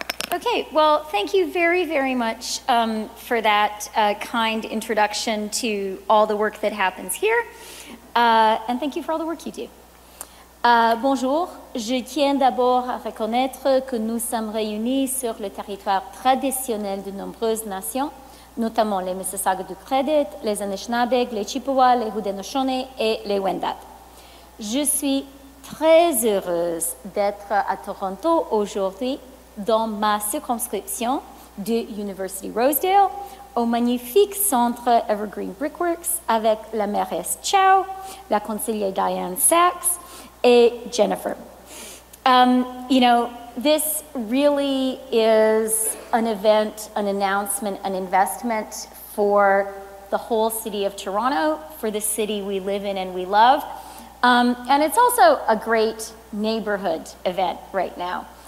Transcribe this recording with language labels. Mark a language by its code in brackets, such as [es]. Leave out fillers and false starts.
[en] Okay, well, thank you very, very much for that kind introduction to all the work that happens here. And thank you for all the work you do. [fr] Bonjour, je tiens d'abord à reconnaître que nous sommes réunis sur le territoire traditionnel de nombreuses nations, notamment les Mississaugas du Credit, les Anishinaabe, les Chippewa, les Haudenosaunee et les Wendat. Je suis très heureuse d'être à Toronto aujourd'hui dans ma circonscription de University Rosedale, au magnifique centre Evergreen Brickworks avec la mairesse Chow, la conseillère Diane Sachs, et Jennifer. [en] You know, this really is an event, an announcement, an investment for the whole city of Toronto, for the city we live in and we love. And it's also a great neighborhood event right now.